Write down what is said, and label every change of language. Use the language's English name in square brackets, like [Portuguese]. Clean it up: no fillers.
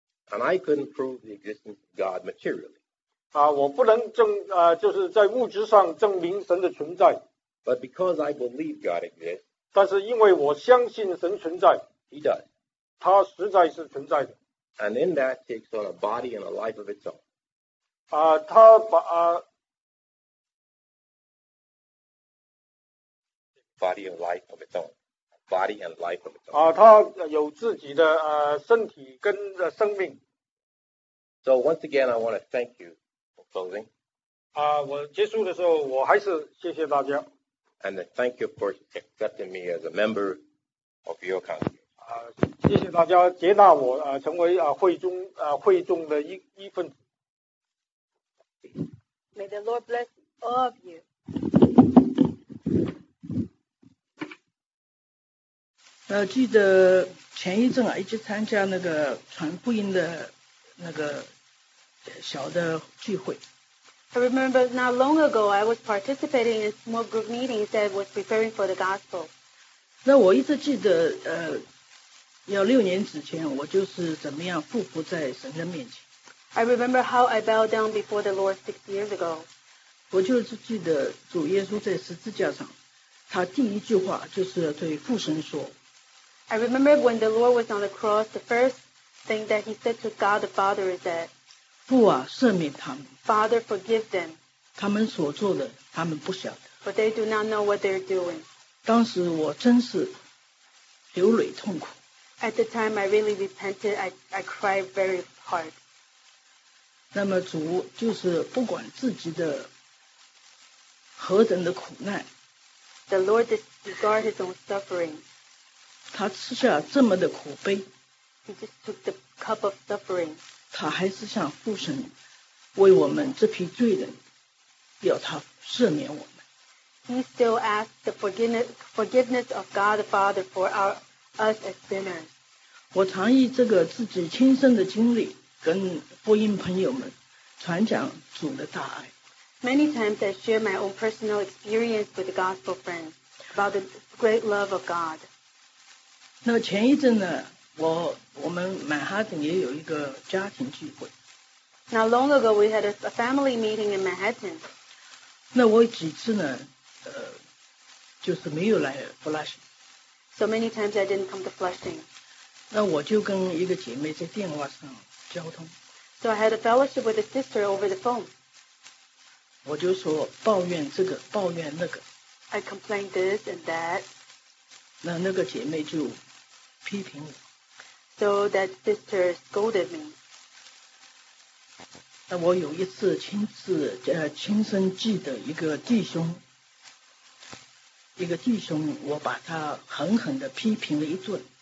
[English] And I couldn't prove the existence of God materially. [Chinese] 啊，我不能证就是在物质上证明神的存在。 [English] But because I believe God exists. [Chinese] 但是因为我相信神存在 [English] He does. [Chinese] 他实在是存在的 [English] And in that takes on a body and a life of its own [Chinese] 他把 [English] Body and life of its own Body and life of its own [Chinese] 他有自己的身体跟生命 [English] So once again I want to thank you for closing [Chinese] 我结束的时候我还是谢谢大家 [English] And thank you for accepting me as a member of your congregation. [Chinese] 谢谢大家接纳我成为会中的一份子。 [English] May the Lord bless all of you. [Chinese] I 记得前一阵一直参加那个传福音的那个小的聚会。 [English] I remember not long ago I was participating in small group meetings that was preparing for the gospel. [Chinese] 那我一直记得要六年之前我就是怎么样匍匐在神的面前。 [English] I remember how I bowed down before the Lord 6 years ago. [Chinese] 我就是记得主耶稣在十字架上他第一句话就是对父神说。 [English] I remember when the Lord was on the cross, the first thing that he said to God the Father is that, [Chinese] 父啊，赦免他们。 [English] Father, forgive them. [Chinese] 他们所做的，他们不晓得。 [English] But they do not know what they're doing. [Chinese] 当时我真是流泪痛苦。 [English] At the time, I really repented. I cried very hard. [Chinese] 那么主就是不管自己的何等的苦难。 [English] The Lord disregarded his own suffering. [Chinese] 他吃下这么的苦杯。 [English] He just took the cup of suffering. [Chinese] 他还是向父神为我们这批罪人要他赦免我们。 [English] He still asked the forgiveness of God the Father for us as sinners. [Chinese] 我常以这个自己亲身的经历跟福音朋友们传讲主的大爱。 [English] Many times I share my own personal experience with the gospel friends about the great love of God. [Chinese] 那前一阵呢我们曼哈顿也有一个家庭聚会。 [English] Not long ago, we had a family meeting in Manhattan. [Chinese] 那我几次呢，就是没有来 Flushing. [English] So many times I didn't come to Flushing. [Chinese] 那我就跟一个姐妹在电话上交通。 [English] So I had a fellowship with a sister over the phone. [Chinese] 我就说抱怨这个，抱怨那个。 [English] I complained this and that. [Chinese] 那个姐妹就批评我。 [English] So that sister scolded me. [Chinese] 我有一次亲自亲身记得一个弟兄，一个弟兄，我把他狠狠地批评了一顿。